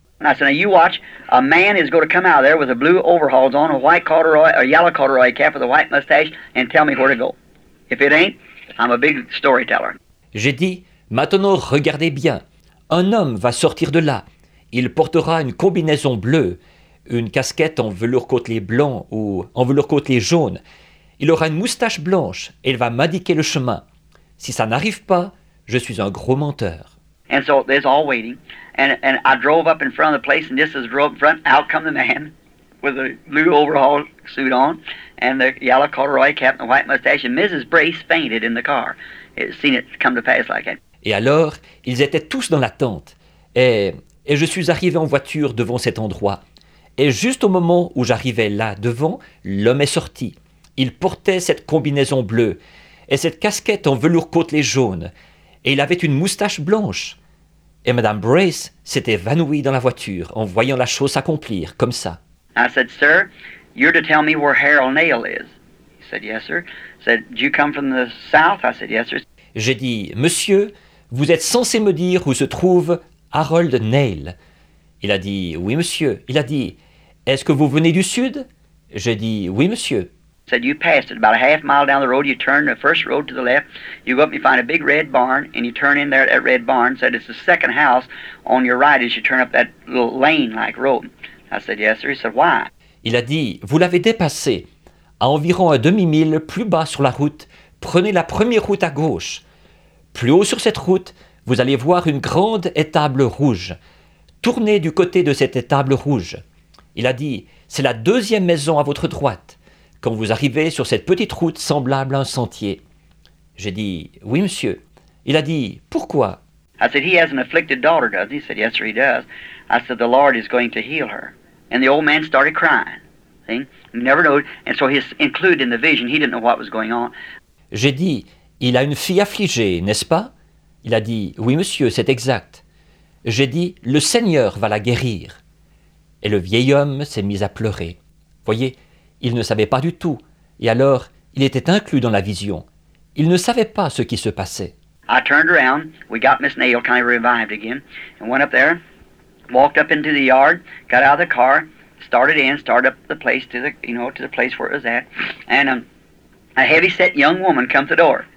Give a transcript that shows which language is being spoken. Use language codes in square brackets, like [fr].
[en] And I said, now you watch, a man is going to come out of there with a blue overalls on, a white corduroy, a yellow corduroy cap with a white mustache, and tell me where to go. If it ain't, I'm a big storyteller. [fr] J'ai dit, maintenant, regardez bien. Un homme va sortir de là. Il portera une combinaison bleue, une casquette en velours côtelé blanc ou en velours côtelé jaune. Il aura une moustache blanche et il va m'indiquer le chemin. Si ça n'arrive pas, je suis un gros menteur. [en] And so there's all waiting. And I drove up in front of the place and just as I drove up in front, out come the man with a blue overall suit on and the yellow corduroy cap and the white mustache. And Mrs. Brace fainted in the car. It seen it come to pass like that. [fr] Et alors, ils étaient tous dans la tente. Et je suis arrivé en voiture devant cet endroit. Et juste au moment où j'arrivais là, devant, l'homme est sorti. Il portait cette combinaison bleue et cette casquette en velours côtelé jaune. Et il avait une moustache blanche. Et Mme Brace s'est évanouie dans la voiture en voyant la chose s'accomplir, comme ça. [en] I said, sir, you're to tell me where Harold Nail is. He said, yes, sir. I said, do you come from the south? I said, yes, sir. [fr] J'ai dit, monsieur, vous êtes censé me dire où se trouve Harold Nail. Il a dit, oui, monsieur. Il a dit, est-ce que vous venez du sud? J'ai dit, oui, monsieur. [en] He said, you passed it about a half mile down the road. You turn the first road to the left. You go up and you find a big red barn and you turn in there at that red barn. He said, it's the second house on your right as you turn up that little lane-like road. I said, yes, sir. He said, why? [fr] Il a dit, vous l'avez dépassé. À environ un demi-mille plus bas sur la route, prenez la première route à gauche. Plus haut sur cette route, vous allez voir une grande étable rouge. Tournez du côté de cette étable rouge. Il a dit, c'est la deuxième maison à votre droite. Quand vous arrivez sur cette petite route semblable à un sentier. J'ai dit, oui, monsieur. Il a dit, pourquoi? [en] I said, he has an afflicted daughter, doesn't he? He said, yes, sir, he does. I said, the Lord is going to heal her. And the old man started crying. See? He never knew. And so he's included in the vision. He didn't know what was going on. [fr] J'ai dit, il a une fille affligée, n'est-ce pas? Il a dit, oui, monsieur, c'est exact. J'ai dit, le Seigneur va la guérir. Et le vieil homme s'est mis à pleurer. Voyez, il ne savait pas du tout. Et alors, il était inclus dans la vision. Il ne savait pas ce qui se passait. [en] I turned around, we got Miss Nail kind of revived again, and went up there, walked up into the yard, got out of the car, started in, started up the place to the, you know, to the place where it was at, and a heavy-set young woman come to the door.